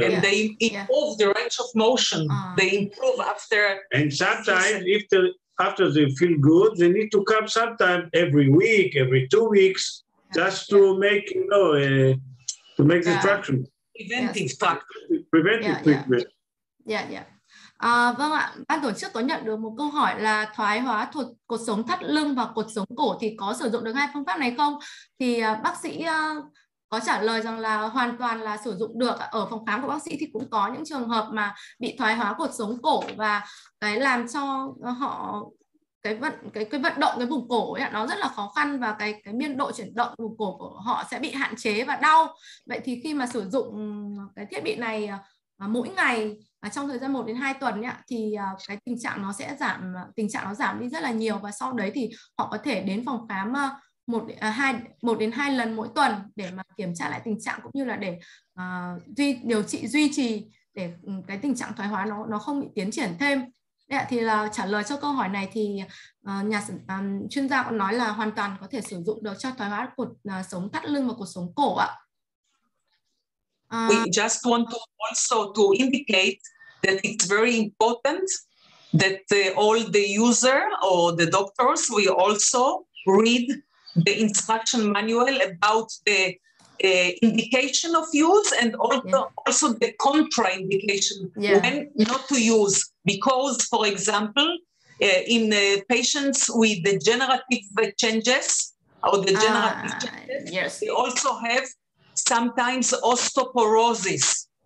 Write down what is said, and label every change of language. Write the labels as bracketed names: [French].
[English] And they improve the range of motion. They improve after. And sometimes, if the after they feel good, they need to come sometime every week, every 2 weeks, just to make, you know, to make the traction. Preventive treatment. [Vietnamese] Vâng ạ, ban tổ chức có nhận được một câu hỏi là thoái hóa thuộc cột sống thắt lưng và cột sống cổ thì có sử dụng được hai phương pháp này không? Thì bác sĩ có trả lời rằng là hoàn toàn là sử dụng được. Ở phòng khám của bác sĩ thì cũng có những trường hợp mà bị thoái hóa cột sống cổ và cái làm cho họ cái vận động cái vùng cổ ấy, nó rất là khó khăn và cái biên độ chuyển động vùng cổ của họ sẽ bị hạn chế và đau. Vậy thì khi mà sử dụng cái thiết bị này mỗi ngày trong thời gian 1 đến 2 tuần ấy, thì cái tình trạng nó sẽ giảm, tình trạng nó giảm đi rất là nhiều và sau đấy thì họ có thể đến phòng khám 1 đến 2 lần mỗi tuần để mà kiểm tra lại tình trạng cũng như là để điều trị duy trì để cái tình trạng thoái hóa nó không bị tiến triển thêm. Đấy ạ, thì là trả lời cho câu hỏi này thì chuyên gia cũng nói là hoàn toàn có thể sử dụng được cho thoái hóa cột sống thắt lưng và cột sống cổ ạ. [English] We just want to also to indicate that it's very important that all the user or the doctors we also read the instruction manual about the indication of use and also also the contraindication when not to use, because for example in patients with degenerative changes or degenerative changes, they also have sometimes osteoporosis.